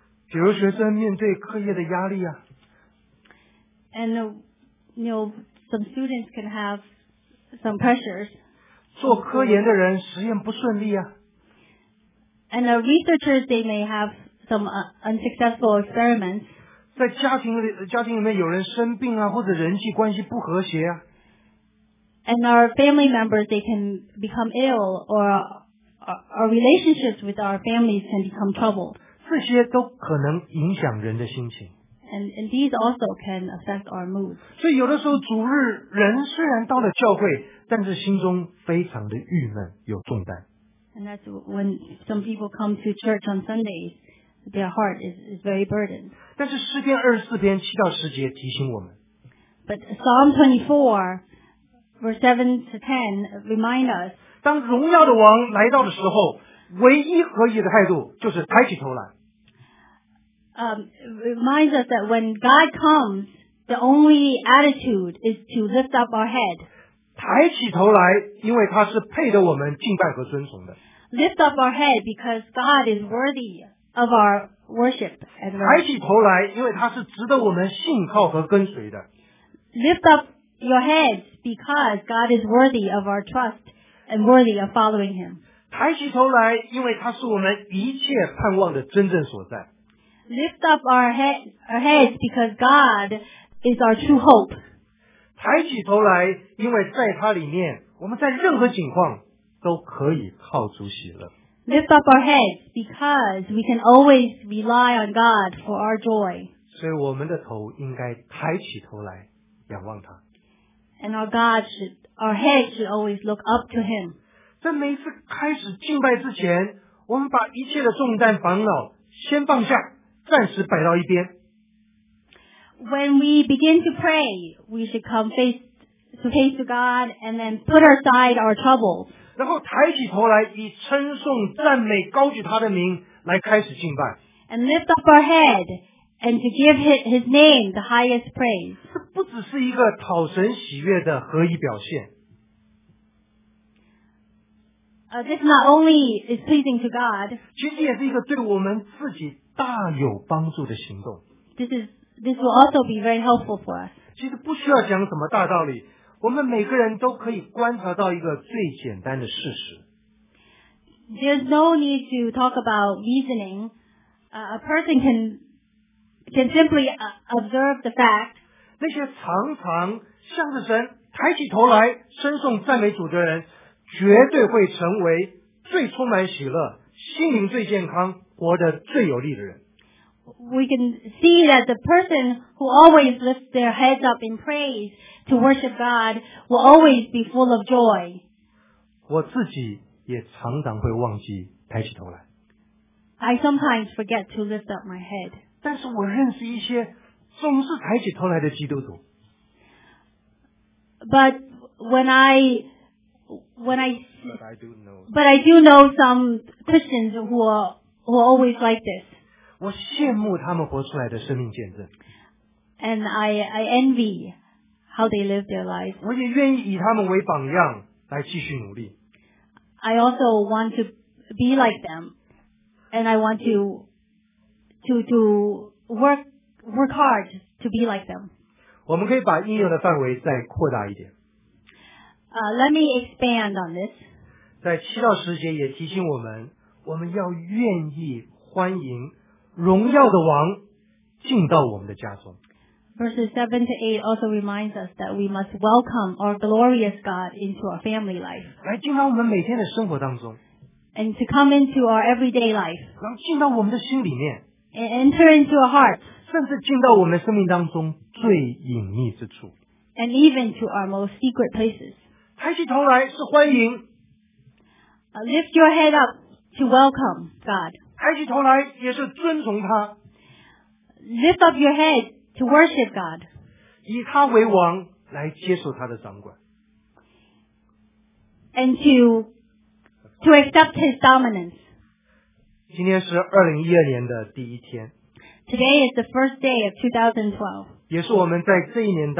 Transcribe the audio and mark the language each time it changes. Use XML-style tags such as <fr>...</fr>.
<zh>比如学生面对课业的压力啊。</zh> <en>And you know, some students can have some pressures.</en> <zh>做科研的人实验不顺利啊。</zh> <en>And the researchers, they may have some unsuccessful experiments.</en> <zh>在家庭里面有人生病啊，或者人际关系不和谐啊。</zh> <en>And our family members, they can become ill or. Our relationships with our families can become troubled.</en> <zh>这些都可能影响人的心情。</zh> <en>And these also can affect our moods.</en> <zh>所以有的时候主日人虽然到了教会，但是心中非常的郁闷，有重担。</zh> <en>And that's when some people come to church on Sundays, their heart is very burdened.</en> <zh>但是诗篇二十四篇七到十节提醒我们。</zh> <en>But Psalm 24, verse 7 to 10 remind us.</en> <zh>当荣耀的王来到的时候，唯一合宜的态度就是抬起头来。</zh> <en>Reminds us that when God comes, the only attitude is to lift up our head.</en> <zh>抬起头来，因为他是配得我们敬拜和尊崇的。</zh> <en>Lift up our head because God is worthy of our worship and worship.</en> <zh>抬起头来，因为他是值得我们信靠和跟随的。</zh> <en>Lift up your head because God is worthy of our trust. And worthy of following him.</en> <zh>抬起头来，因为他是我们一切盼望的真正所在。</zh> <en>Lift up our heads because God is our true hope.</en> <zh>抬起头来，因为在他里面，我们在任何情况都可以靠主喜乐。</zh> <en>Lift up our heads because we can always rely on God for our joy.</en> <zh>所以我们的头应该抬起头来，仰望他。</zh> <en>And our God should. Our head should always look up to him.</en> <zh>在每次开始敬拜之前，我们把一切的重担烦恼先放下，暂时摆到一边。</zh> <en>When we begin to pray, we should come face to God and then put aside our troubles.</en> <zh>然后抬起头来，以称颂、赞美、高举他的名来开始敬拜。</zh> <en>And lift up our head and to give his name the highest praise.</en> <zh>不只是一个讨神喜悦的合一表现。</zh> <en>This not only is pleasing to God.</en> <zh>其实也是一个对我们自己大有帮助的行动。</zh> <en>This will also be very helpful for us.</en> <zh>其实不需要讲什么大道理，我们每个人都可以观察到一个最简单的事实。</zh> <en>There's no need to talk about reasoning. A person can simply observe the fact.</en> <zh>那些常常向着神抬起头来称颂赞美主的人，绝对会成为最充满喜乐、心灵最健康、活得最有力的人。</zh> <en>We can see that the person who always lifts their heads up in praise to worship God will always be full of joy.</en> <zh>我自己也常常会忘记抬起头来。</zh> <en>I sometimes forget to lift up my head.</en> <zh>但是我认识一些总是抬起头来的基督徒。</zh> <en>But I do know some Christians who are always like this.</en> <zh>我羡慕他们活出来的生命见证。</zh> <en>And I envy how they live their life.</en> <zh>我也愿意以他们为榜样来继续努力。</zh> <en>I also want to be like them, and I want to work. Work hard to be like them.</en> <zh>我们可以把应用的范围再扩大一点。</zh> <en>Let me expand on this.</en> <zh>在七到十节也提醒我们，我们要愿意欢迎荣耀的王进到我们的家中。</zh> <en>Verses 7 to 8 also reminds us that we must welcome our glorious God into our family life.</en> <zh>来进到我们每天的生活当中,</zh> <en>and to come into our everyday life.</en> <zh>然后进到我们的心里面,</zh> <en>and enter into our hearts.</en> <zh>甚至进到我们生命当中最隐秘之处,</zh> <en>and even to our most secret places.</en> <zh>抬起头来是欢迎,</zh> <en>lift your head up to welcome God.</en> <zh>抬起头来也是尊崇他,</zh> <en>lift up your head to worship God.</en> <zh>以他为王, 来接受他的掌管,</zh> <en>and to accept his dominance.</en> <zh>今天是2012年的第一天,</zh> <en>today is the first day of 2012.</en>